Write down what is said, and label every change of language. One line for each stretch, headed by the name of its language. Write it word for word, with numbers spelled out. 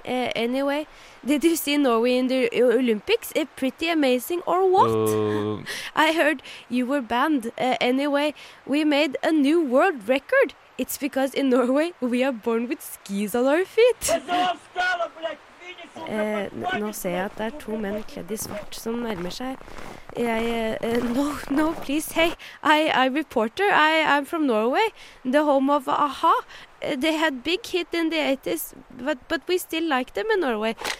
English: Uh, anyway, did you see Norway in the Olympics? Uh, pretty amazing or what? Uh... I heard you were banned. Uh, anyway, we made a new world record. It's because in Norway we are born with skis on our feet.
Norwegian: Eh, nå ser jeg at det er to menn kledd i svart som nærmer seg.
English: Jeg, eh, no, no, please, hey, I, I'm reporter, I, I'm from Norway, the home of A-ha. They had big hit in the eighties, but, but we still like them in Norway.